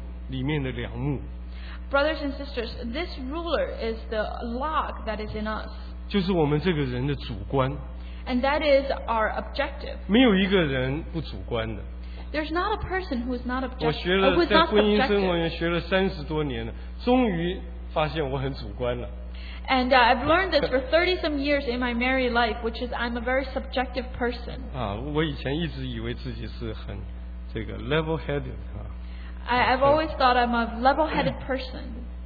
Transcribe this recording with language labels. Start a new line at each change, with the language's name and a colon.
Chinese: 弟兄姊妹们，这个尺就是我们里面的梁木。
English: Brothers and sisters, this ruler is the log that is in us.
Chinese: 就是我们这个人的主观。
English: And that is our objective.
Chinese: 没有一个人不主观的。
English: There's not a person who is not objective.
Chinese: 我学了在婚姻生活里面学了30多年了，终于发现我很主观了。
English: And I've learned this for 30 some years in my married life, which is I'm a very subjective person.
Chinese: 我以前一直以为自己是很这个
English: level-headed. I've always thought I'm a level-headed person.